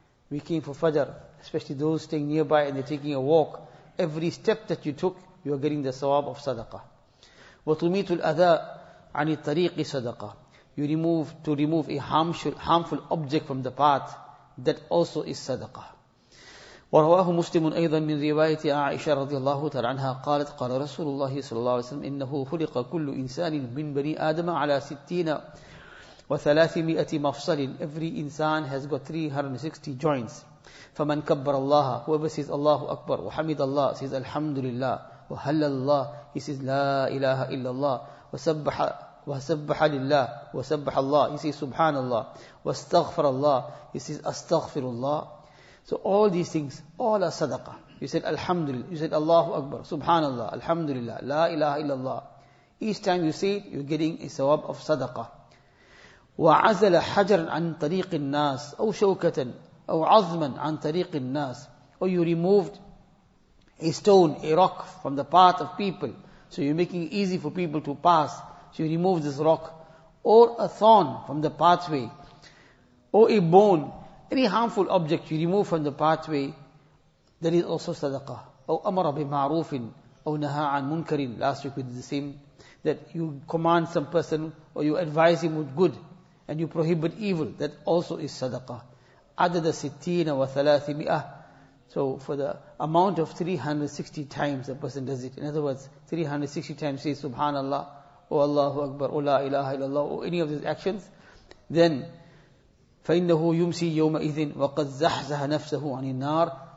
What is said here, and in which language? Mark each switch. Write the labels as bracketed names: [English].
[English] We came for fajr, especially those staying nearby and they're taking a walk. Every step that you took, you are getting the sawab of sadaqah. [Arabic] وَتُمِيتُ الْأَذَىٰ عَنِ الطَّرِيقِ صَدَقَةً. [English] You remove, to remove a harmful object from the path, that also is sadaqah. [Arabic] ورواه مسلم أيضا من رواية عائشة رضي الله تعالى عنها قالت قال رسول الله صلى الله عليه وسلم إنه خلق كل إنسان من بني آدم على 60 و300 مفصل. [English] Every insan has got 360 joints. [Arabic] فمن كبر الله, [English] whoever says [Arabic] الله أكبر, وحمد الله, [English] says [Arabic] الحمد لله, وهلل الله, [English] he says [Arabic] لا إله إلا الله, وسبح لله, وسبح الله, he says سبحان الله, واستغفر الله, he says أستغفر الله. [English] So all these things, all are sadaqah. You said Alhamdulillah, you said Allahu Akbar, Subhanallah, Alhamdulillah, La ilaha illallah. Each time you say it, you're getting a sawab of sadaqah. [Arabic] وَعَزَلَ حَجَرًا عَنْ طَرِيقِ النَّاسِ أَوْ شَوْكَةً أَوْ عَظْمًا عَنْ طَرِيقِ النَّاسِ. [English] Or you removed a stone, a rock from the path of people. So you're making it easy for people to pass. So you remove this rock. Or a thorn from the pathway. Or a bone. Any harmful object you remove from the pathway, that is also sadaqah. [Arabic] أو أمر بمعروف أو نهى عن منكر. [English] Last week we did the same, that you command some person or you advise him with good and you prohibit evil, that also is sadaqah. [Arabic] عدد ستين وثلاثمئة. [English] So for the amount of 360 times a person does it, in other words, 360 times say Subhanallah, O Allahu Akbar, O La Ilaha Illallah, or any of these actions, then [Arabic] فَإِنَّهُ يُمْسِي يَوْمَئِذٍ وَقَدْ زَحْزَهَ نَفْسَهُ عَنِ النَّارِ.